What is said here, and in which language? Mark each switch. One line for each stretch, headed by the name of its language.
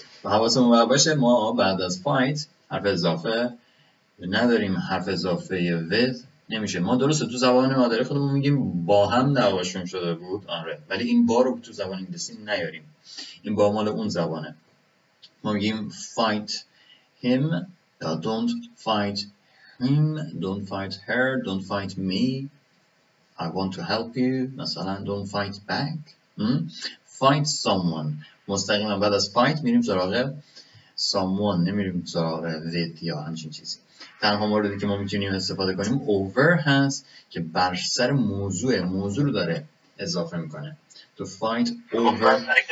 Persian: حواسمون باشه ما بعد از fight حرف اضافه نداریم، حرف اضافه with نمیشه. ما درسته تو زبان مادری خودمون میگیم با هم دعواشون شده بود، آره، ولی این با رو تو زبان انگلیسی نیاریم، این با مال اون زبانه. ما میگیم
English: fight him، don't fight him، don't fight her، don't fight me، I want to help you، مثلا don't fight back. Fight someone،
Persian: مستقیما بعد از fight میریم سراغ someone، نمیریم سراغ with یا همچین چیزی. تنها موردی که ما میتونیم استفاده کنیم over هست، که بر سر موضوع، موضوع رو داره اضافه میکنه.
English: To fight over،